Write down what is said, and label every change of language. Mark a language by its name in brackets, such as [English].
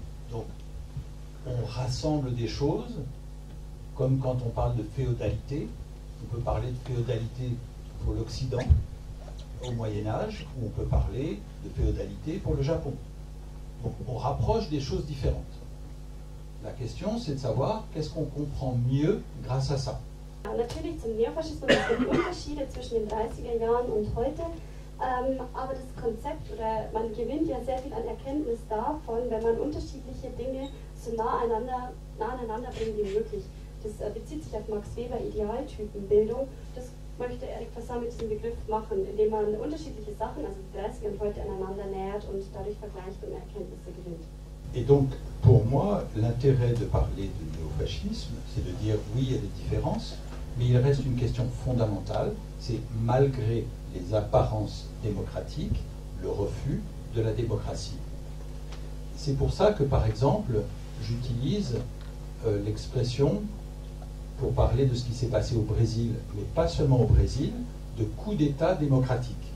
[French] Donc, on rassemble des choses... Comme quand on parle de féodalité, on peut parler de féodalité pour l'Occident au Moyen-Âge, ou on peut parler de féodalité pour le Japon. Donc on rapproche des choses différentes. La question, c'est de savoir qu'est-ce qu'on comprend mieux grâce à ça. [German] Natürlich zum Neofaschismus gibt es Unterschiede zwischen den 30er Jahren und heute, aber das Konzept, oder man gewinnt ja sehr viel an Erkenntnis davon, wenn man unterschiedliche Dinge so nahe aneinander bringt wie möglich. Das bezieht sich auf Max Weber Idealtypenbildung. Das möchte Erik Fassin mit diesem Begriff machen, indem man unterschiedliche Sachen, also 30 und heute, aneinander nähert und dadurch vergleicht und Erkenntnisse gewinnt. [French] Et donc, pour moi, l'intérêt de parler de néofascisme, c'est de dire oui, il y a des différences, mais il reste une question fondamentale, c'est malgré les apparences démocratiques, le refus de la démocratie. C'est pour ça que, par exemple, j'utilise l'expression pour parler de ce qui s'est passé au Brésil, mais pas seulement au Brésil, de coup d'État démocratique.